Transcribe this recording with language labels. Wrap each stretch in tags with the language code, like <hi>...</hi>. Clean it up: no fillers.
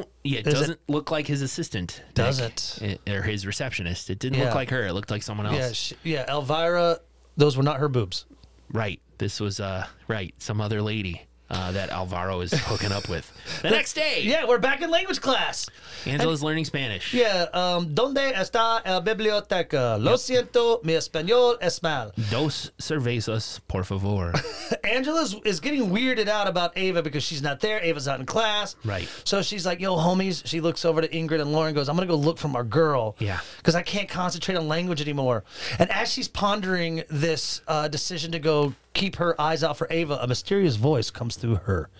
<en>It doesn't look like his assistant. Or his receptionist. It didn't look like her. It looked like someone else. Elvira, those were not her boobs. Right. This was, some other lady that Alvaro is hooking up with. The next day. Yeah, we're back in language class. Angela's learning Spanish. Yeah.</en> <es>¿Dónde está la biblioteca? Lo siento, mi español es mal. Dos cervezas, por favor.</es> <en>Angela is getting weirded out about Ava because she's not there. Ava's not in class. Right. So she's like, yo, homies. She looks over to Ingrid and Lauren and goes, I'm going to go look for my girl. Yeah. Because I can't concentrate on language anymore. And as she's pondering this decision to go keep her eyes out for Ava, a mysterious voice comes through her.</en>